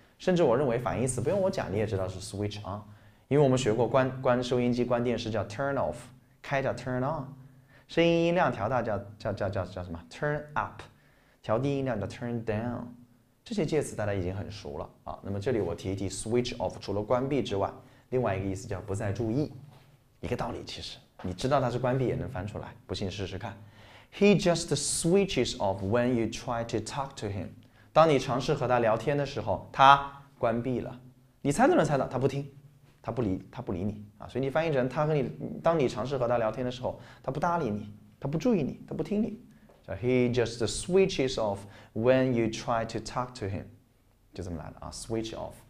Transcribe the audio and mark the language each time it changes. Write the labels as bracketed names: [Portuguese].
[Chinese] 甚至我认为反义词不用我讲，你也知道是 switch on，因为我们学过关收音机、关电视叫 turn off，开叫 turn on，声音音量调大叫什么？turn up，调低音量叫 turn down。这些介词大家已经很熟了啊，那么这里我提一提，switch off 除了关闭之外，另外一个意思叫不再注意，一个道理。其实你知道它是关闭也能翻出来，不信试试看。 [English] He just switches off when you try to talk to him。 [Chinese] 当你尝试和他聊天的时候，他关闭了。你猜都能猜到，他不听，他不理你啊。所以你翻译成他和你，当你尝试和他聊天的时候，他不搭理你，他不注意你，他不听你。 [English] He just switches off when you try to talk to him， [Chinese] 就这么来的啊， [English] switch off。